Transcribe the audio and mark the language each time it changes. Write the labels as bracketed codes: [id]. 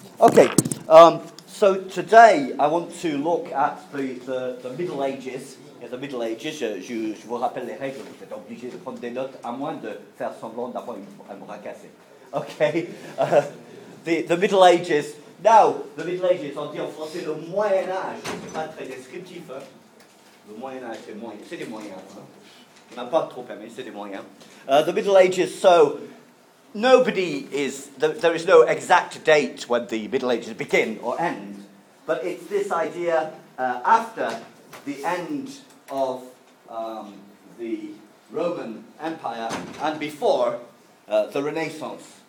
[en] Okay, so today I want to look at the Middle Ages. Yeah, the Middle Ages, [fr] je vous rappelle les règles, vous êtes obligé de prendre des notes, à moins de faire semblant d'avoir un bras cassé. [en] Okay, the Middle Ages. [fr] Now, the Middle Ages, on dit en français le Moyen-Âge, c'est pas très descriptif. Hein. Le Moyen-Âge, c'est des moyens. Hein. On n'a pas trop aimé, c'est des moyens. [en] The Middle Ages, so... Nobody is, there is no exact date when the Middle Ages begin or end, but it's this idea after the end of the Roman Empire and before the Renaissance.